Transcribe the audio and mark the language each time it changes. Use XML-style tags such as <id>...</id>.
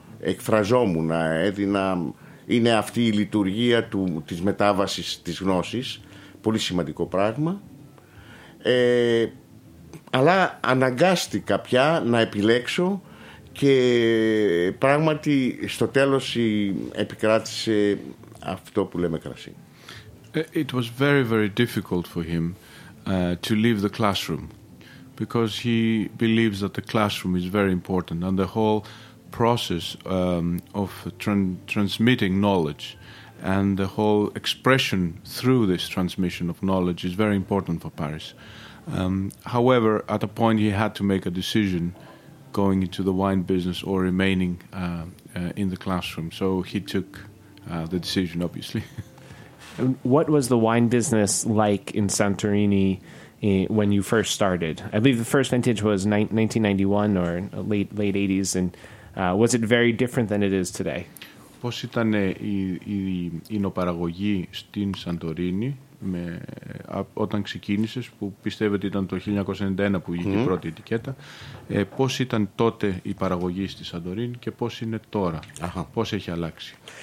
<el>Εκφραζόμουν, έδινα, είναι αυτή η λειτουργία της μετάβασης της γνώσης, πολύ σημαντικό πράγμα. Αλλά αναγκάστηκα πια να επιλέξω και πράγματι στο τέλος επικράτησε αυτό που λέμε κρασί.</el> <en>It was very, very difficult for him to leave the classroom because he believes that the classroom is very important and the whole process of transmitting knowledge and the whole expression through this transmission of knowledge is very important for Paris. However, at a point he had to make a decision going into the wine business or remaining in the classroom. So he took the decision, obviously. And what was the wine business like in Santorini when you first started? I believe the first vintage was 1991 or late 80s. And was it very different than it is today?</en> <el>Πώς ήταν η ενοπαραγωγή στην Σαντορίνη όταν ξεκίνησες, που πιστεύετε ήταν το 1991 που βγήκε η πρώτη ετικέτα, πώς ήταν τότε η παραγωγή στη Σαντορίνη και πώς είναι τώρα, πώς έχει αλλάξει?</el>